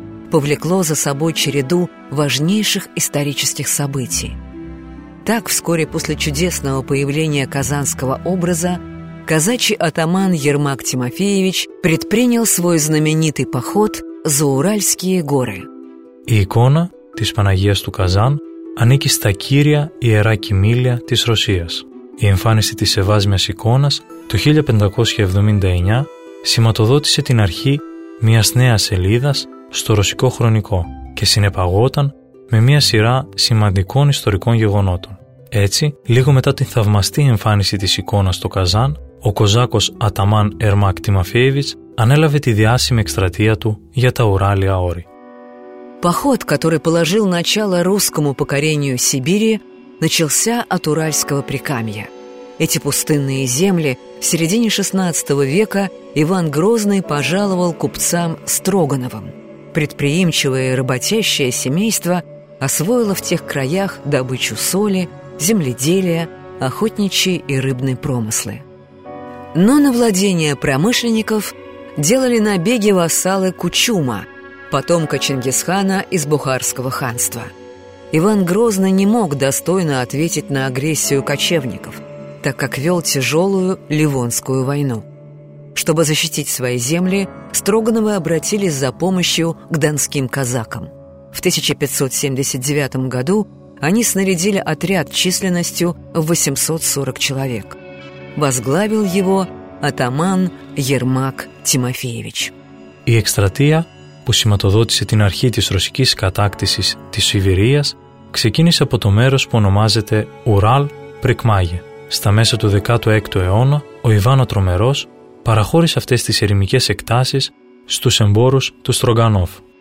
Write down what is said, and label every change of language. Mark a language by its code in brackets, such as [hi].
[ru] Повлекло за собой череду важнейших исторических событий. Так, вскоре после чудесного появления казанского образа, казачий атаман Ермак Тимофеевич предпринял свой знаменитый поход за Уральские горы. [el] Η εικόνα της Παναγίας του Καζάν ανήκει στα κύρια ιερά κοιμήλια της Ρωσίας. Η εμφάνιση της Σεβάσμιας εικόνας το 1579 σηματοδότησε την αρχή μιας νέας σελίδας στο ρωσικό χρονικό και συνεπαγόταν με μια σειρά σημαντικών ιστορικών γεγονότων. Έτσι, λίγο μετά την θαυμαστή εμφάνιση της εικόνας στο Καζάν, ο Κοζάκος Αταμάν Ερμάκ Τιμαφέεβιτς ανέλαβε τη διάσημη εκστρατεία του για τα Ουράλια Όρη. [ru] Поход, который положил начало русскому покорению Сибири, начался от Уральского Прикамья. Эти пустынные земли в середине XVI века Иван Грозный пожаловал купцам Строгановым. Предприимчивое и работящее семейство освоило в тех краях добычу соли, земледелия, охотничьи и рыбные промыслы. Но на владения промышленников делали набеги вассалы Кучума, потомка Чингисхана из Бухарского ханства. Иван Грозный не мог достойно ответить на агрессию кочевников, так как вел тяжелую Ливонскую войну. Чтобы защитить свои земли, Строгановы обратились за помощью к донским казакам. В 1579 году они снарядили отряд численностью в 840 человек. Возглавил его атаман Ермак Тимофеевич. [el] И экстратия που σηματοδότησε την αρχή της ρωσικής κατάκτησης της Σιβηρίας, ξεκίνησε από το μέρος που ονομάζεται Ουράλ Πρικμάγε. Στα μέσα του 16ου αιώνα, ο Ιβάν ο Τρομερός παραχώρησε αυτές τις ερημικές εκτάσεις στους εμπόρους του Στρογκανόφ.